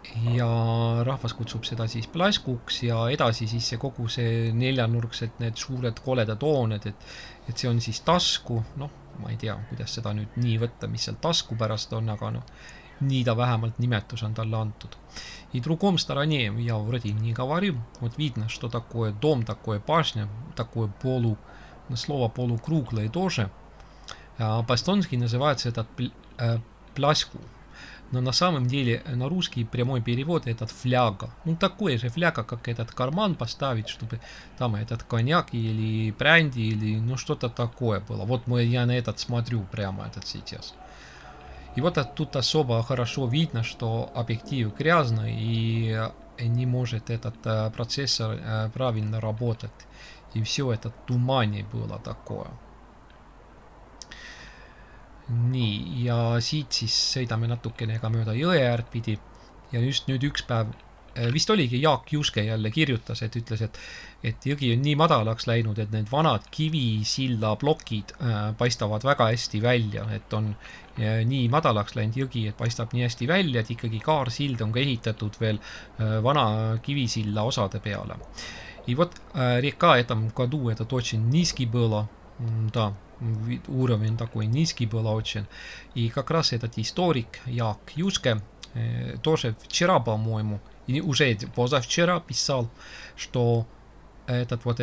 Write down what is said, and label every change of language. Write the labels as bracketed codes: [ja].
[et] Ja rahvas kutsub seda siis plaskuks ja edasi siis see kogu see neljanurkselt need suured koledad hooned, et see on siis tasku. Noh, ma ei tea, kuidas seda nüüd nii võtta, mis seal tasku pärast on, aga no, nii ta vähemalt nimetus on talle antud. [ru] И другом стороне, я вроде не говорю, вот видно, что такое дом, такое башня, такое полу, слово полукруглое тоже. По-эстонски называется этот пляску. Но на самом деле на русский прямой перевод этот фляга. Ну такой же фляга, как этот карман поставить, чтобы там этот коньяк или бренди, или ну что-то такое было. Вот мы, я на этот смотрю прямо этот сейчас. И вот тут особо хорошо видно, что объектив грязный и не может этот процессор правильно работать. И все это тумане было такое. [et] Nii, ja siit siis sõidame natukene ka mööda jõe äärtpidi. Ja just nüüd üks päev, vist oligi Jaak Juske jälle kirjutas, et ütles, et jõgi on nii madalaks läinud, et need vanad kivisilla blokid paistavad väga hästi välja, et on nii madalaks läinud jõgi, et paistab nii hästi välja, et ikkagi kaarsild on ka ehitatud veel vana kivisilla osade peale. [ru] И вот река этом году этот очень низкий было, да, уровень такой низкий было очень. И как раз этот историк Jaak Juske тоже вчера, по-моему, и уже позавчера писал, что этот